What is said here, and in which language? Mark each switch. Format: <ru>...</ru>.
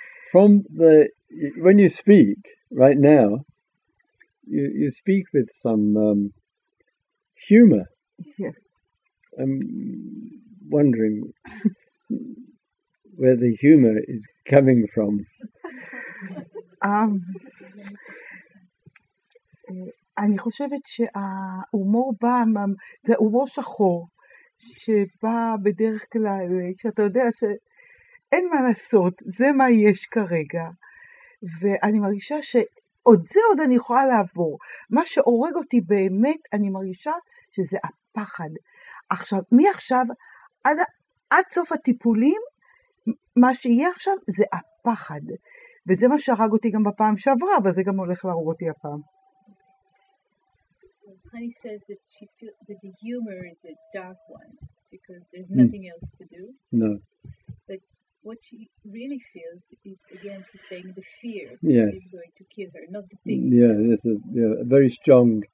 <en>From the when you speak right now you speak with some humor yeah I'm wondering where the humor is coming from.</en> <he>אני חושבת שההומור בא, זה הומור שחור, שבא בדרך כלל, שאתה יודע שאין מה לעשות, זה מה יש כרגע, ואני מרגישה שעוד זה עוד אני יכולה לעבור. מה שהורג אותי באמת, אני מרגישה שזה הפחד. עכשיו, מעכשיו, עד סוף הטיפולים, מה שיהיה עכשיו זה הפחד. וזה מה שהרג אותי גם בפעם שעברה, אבל זה גם הולך להרוג אותי הפעם.</he> <en>Honey says that she feels that the humor is a dark one because there's nothing else to do. No. But what she really feels is, again, she's saying the fear yes. is going to kill her, not the thing. Yeah, it's a very strong</en>